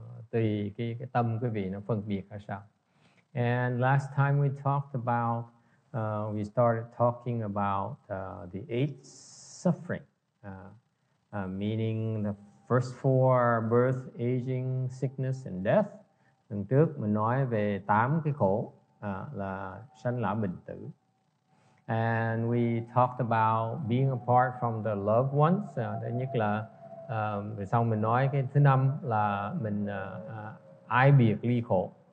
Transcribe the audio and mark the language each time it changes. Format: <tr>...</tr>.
<vi>Tùy cái tâm quý vị nó phân biệt ra sao.</vi> <en>And last time we talked about, we started talking about the eight suffering. Meaning the first four, birth, aging, sickness, and death.</en> <vi>Lần trước mình nói về tám cái khổ là sanh lão bệnh tử.</vi> <en>And we talked about being apart from the loved ones.</en> <vi>Thứ nhất là sau mình nói cái thứ năm là mình ai biệt ly khổ.</vi>